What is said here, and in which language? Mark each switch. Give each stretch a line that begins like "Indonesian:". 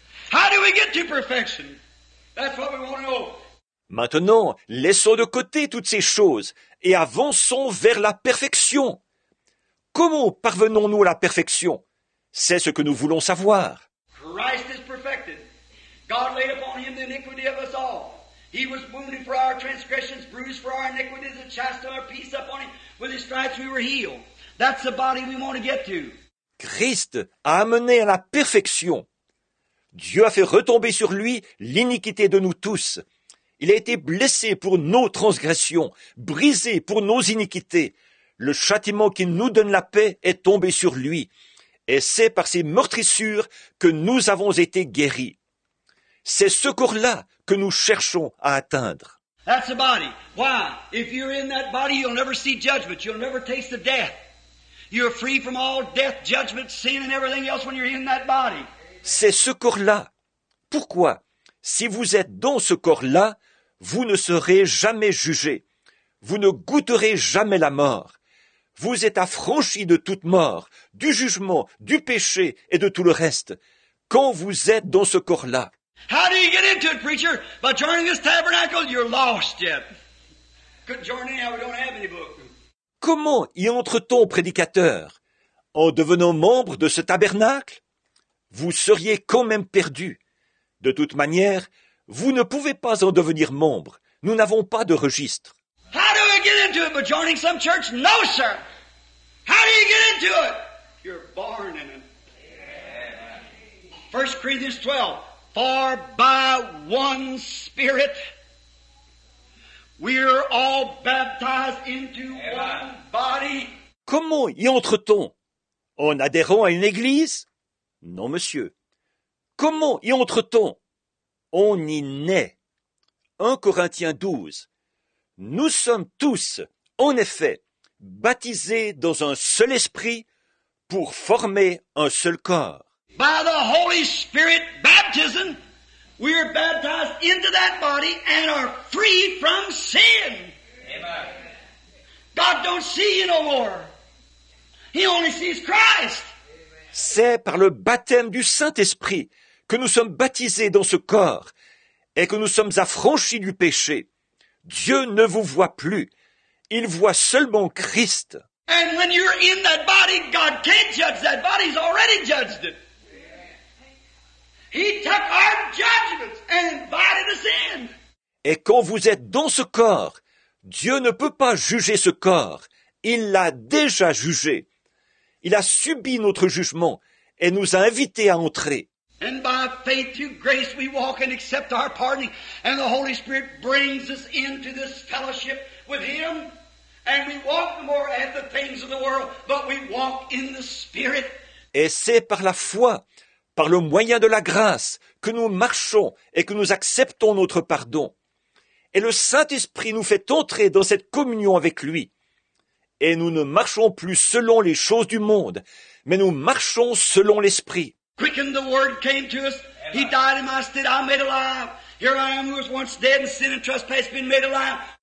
English: How do we get to perfection? That's what we want to know.
French: Maintenant, laissons de côté toutes ces choses et avançons vers la perfection. Comment parvenons-nous à la perfection? C'est ce que nous voulons savoir.
English: Christ is perfected. God laid upon him the iniquity of us all. He was wounded for our transgressions, bruised for our iniquities, and chastised our peace upon him. With his stripes we were healed. That's the body we want to get to.
French: Christ a amené à la perfection. Dieu a fait retomber sur lui l'iniquité de nous tous. Il a été blessé pour nos transgressions, brisé pour nos iniquités. Le châtiment qui nous donne la paix est tombé sur lui. Et c'est par ses meurtrissures que nous avons été guéris. C'est ce corps-là que nous cherchons à atteindre.
English: That's the body. Why? If you're in that body, you'll never see judgment. You'll never taste the death. You're free from all death, judgment, sin and everything else when you're in that body.
French: C'est ce corps-là. Pourquoi? Si vous êtes dans ce corps-là, vous ne serez jamais jugé. Vous ne goûterez jamais la mort. Vous êtes affranchi de toute mort, du jugement, du péché et de tout le reste. Quand vous êtes dans ce corps-là,
English: how do you get into it, preacher? By joining this tabernacle, you're lost yet. Couldn't join in, we don't have any book.
French: Comment y entre-t-on, prédicateur? En devenant membre de ce tabernacle? Vous seriez quand même perdu. De toute manière, vous ne pouvez pas en devenir membre. Nous n'avons pas de registre.
English: How do you get into it by joining some church? No, sir. How do you get into it? You're born in it. 1 Corinthians 12. For by one Spirit we're all baptized into one body.
French: Comment y entre-t-on? En adhérant à une église? Non, monsieur. Comment y entre-t-on? On y naît. 1 Corinthiens 12. Nous sommes tous, en effet, baptisés dans un seul esprit pour former un seul corps.
English: By the Holy Spirit baptism, we are baptized into that body and are free from sin. Amen. God don't see you no more. He only sees Christ.
French: C'est par le baptême du Saint-Esprit que nous sommes baptisés dans ce corps et que nous sommes affranchis du péché. Dieu ne vous voit plus. Il voit seulement Christ.
English: And when you're in that body, God can't judge that body. He's already judged it. He took our judgments and invited us in.
French: Et quand vous êtes dans ce corps, Dieu ne peut pas juger ce corps. Il l'a déjà jugé. Il a subi notre jugement et nous a invités à entrer.
English: And by faith through grace we walk and accept our pardoning. And the Holy Spirit brings us into this fellowship with Him. And we walk no more at the things of the world, but we walk in the Spirit.
French: Et c'est par la foi, par le moyen de la grâce, que nous marchons et que nous acceptons notre pardon. Et le Saint-Esprit nous fait entrer dans cette communion avec lui. Et nous ne marchons plus selon les choses du monde, mais nous marchons selon l'Esprit.
English: Quicken, the Word came to us. He died in my stead, I'm made alive. Here I am who was once dead in sin and trespass, been made alive.